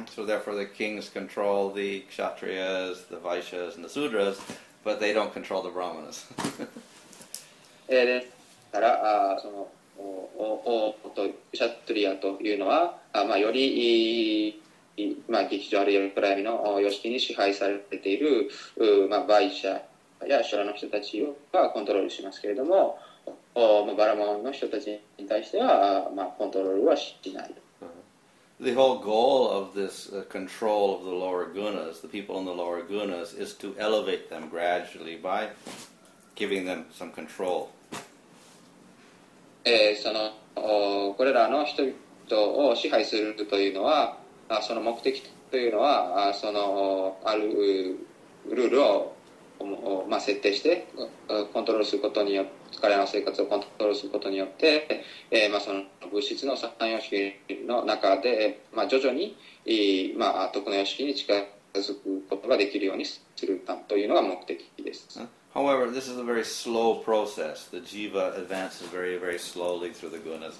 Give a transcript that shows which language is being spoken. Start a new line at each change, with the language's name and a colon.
English: So therefore the kings control the kshatriyas, the vaishyas, and the sudras, but they don't control the brahmanas.
Japanese: ですから、クシャトリアというのは、より、劇場あるいは暗闇の様式に支配されている、バイシャやシュラの人たちはコントロールしますけれども、バラモンの人たちに対しては、コントロールはしない。
English: The whole goal of this control of the lower gunas, the people in the lower gunas, is to elevate them gradually by giving them some control.
Japanese: その、これらの人々を支配するというのは、その目的というのはそのあるルールを、まあ、設定してコントロールすることによって彼らの生活をコントロールすることによって、まあ、その物質の三様式の中で、まあ、徐々に、まあ、徳の様式に近づくことができるようにするというのが目的です。
English: However, this is a very slow process. The jiva advances very, very slowly through the gunas.